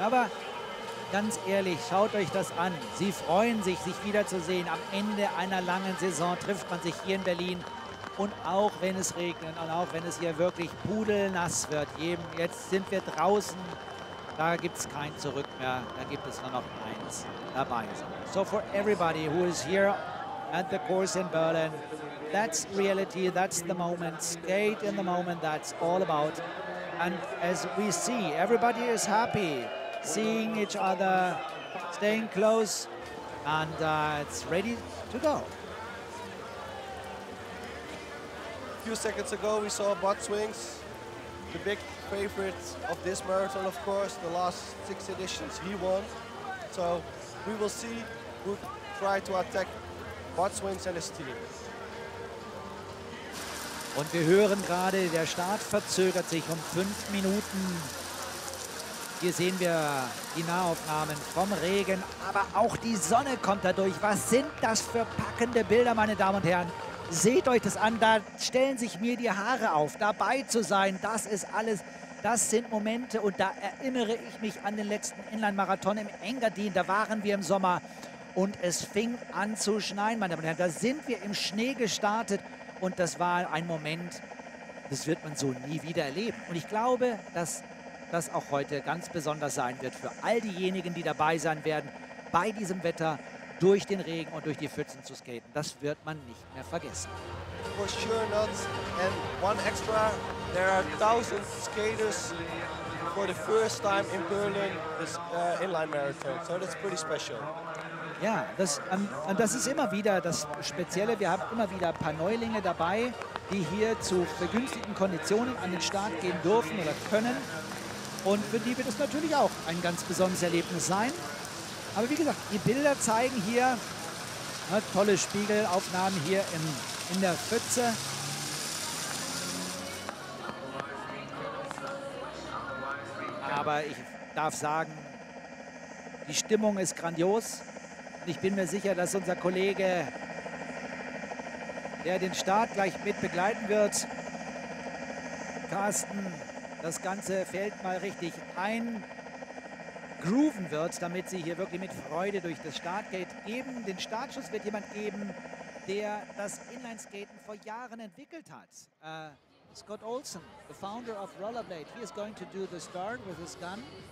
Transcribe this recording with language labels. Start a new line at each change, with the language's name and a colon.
German: Aber ganz ehrlich, schaut euch das an. Sie freuen sich, sich wiederzusehen. Am Ende einer langen Saison trifft man sich hier in Berlin. Und auch wenn es regnet und auch wenn es hier wirklich pudelnass wird, eben jetzt sind wir draußen, da gibt es kein Zurück mehr. Da gibt es nur noch eins dabei.
English: So for everybody who is here at the course in Berlin, that's reality, that's the moment. Skate in the moment, that's all about. And as we see, everybody is happy seeing each other, staying close, and it's ready to go. A few seconds ago, we saw Bart Swings, the big favorite of this marathon, of course, the last 6 editions he won. So we will see who try to attack Bart Swings and his team.
German: Und wir hören gerade, der Start verzögert sich um 5 Minuten. Hier sehen wir die Nahaufnahmen vom Regen, aber auch die Sonne kommt dadurch. Was sind das für packende Bilder, meine Damen und Herren? Seht euch das an, da stellen sich mir die Haare auf, dabei zu sein, das ist alles. Das sind Momente und da erinnere ich mich an den letzten Inline-Marathon im Engadin. Da waren wir im Sommer und es fing an zu schneien, meine Damen und Herren. Da sind wir im Schnee gestartet und das war ein Moment, das wird man so nie wieder erleben. Und ich glaube, dass das auch heute ganz besonders sein wird für all diejenigen, die dabei sein werden, bei diesem Wetter durch den Regen und durch die Pfützen zu skaten. Das wird man nicht mehr vergessen.
English: For sure not. And one extra, there are thousands skaters for the first time in Berlin this inline marathon. So that's pretty special.
German: Ja, das, das ist immer wieder das Spezielle. Wir haben immer wieder ein paar Neulinge dabei, die hier zu begünstigten Konditionen an den Start gehen dürfen oder können. Und für die wird es natürlich auch ein ganz besonderes Erlebnis sein. Aber wie gesagt, die Bilder zeigen hier, ne, tolle Spiegelaufnahmen hier in der Pfütze. Aber ich darf sagen, die Stimmung ist grandios. Und ich bin mir sicher, dass unser Kollege, der den Start gleich mit begleiten wird, Carsten, das ganze Feld mal richtig eingrooven wird, damit sie hier wirklich mit Freude durch das Startgate geben. Den Startschuss wird jemand geben, der das Inlineskaten vor Jahren entwickelt hat.
English: Scott Olsen, the founder of Rollerblade, he is going to do the start with his gun.